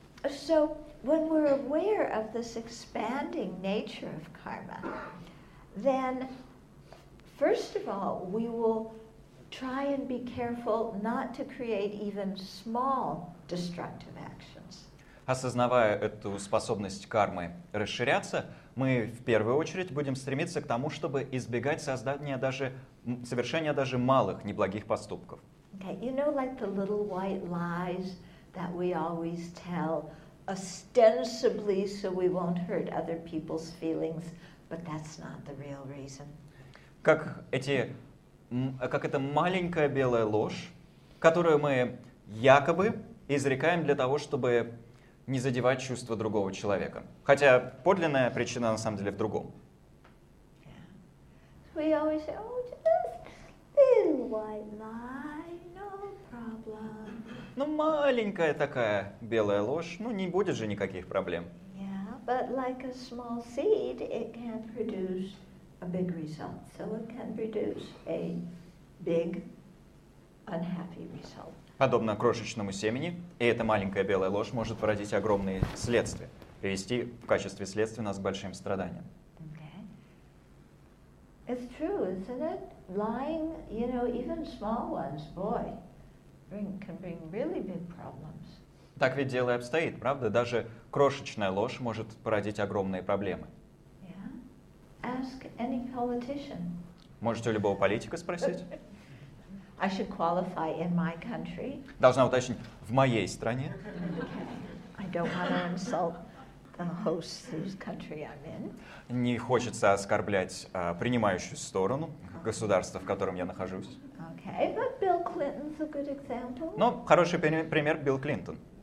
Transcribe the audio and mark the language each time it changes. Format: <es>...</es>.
<en>So when we're aware of this expanding nature of karma, then first of all, we will try and be careful not to create even small destructive actions.</en> <ru>Осознавая эту способность кармы расширяться, мы в первую очередь будем стремиться к тому, чтобы избегать создания даже совершения даже малых неблагих поступков.</ru> <en>Okay, you know, like the little white lies that we always tell, ostensibly so we won't hurt other people's feelings, but that's not the real reason.</en> <ru>Как эта маленькая белая ложь, которую мы якобы изрекаем для того, чтобы не задевать чувства другого человека. Хотя подлинная причина на самом деле в другом.</ru> <en>Yeah. We always say, oh, just little white lie, no problem.</en> <ru>Ну, маленькая такая белая ложь, ну, не будет же никаких проблем.</ru> <en>Yeah, but like a small seed, it can produce a big result, so it can produce a big unhappy result.</en> <ru>Подобно крошечному семени, и эта маленькая белая ложь может породить огромные следствия, привести в качестве следствия нас к большим страданиям.</ru> <en>Okay. It's true, isn't it? Lying, you know, even small ones, boy, can bring really big problems.</en> <ru>Так ведь дело и обстоит, правда? Даже крошечная ложь может породить огромные проблемы.</ru> <en>Ask any politician.</en> <ru>Можете у любого политика спросить?</ru> <en>I should qualify in my country.</en> <ru>Должна уточнить, в моей стране.</ru> <en>I don't want to insult the host whose country I'm in.</en> <ru>Не хочется оскорблять принимающую сторону государства, в котором я нахожусь.</ru> <en>Okay, but Bill Clinton's a good example.</en> <ru>Ну, хороший пример Билл Клинтон.</ru>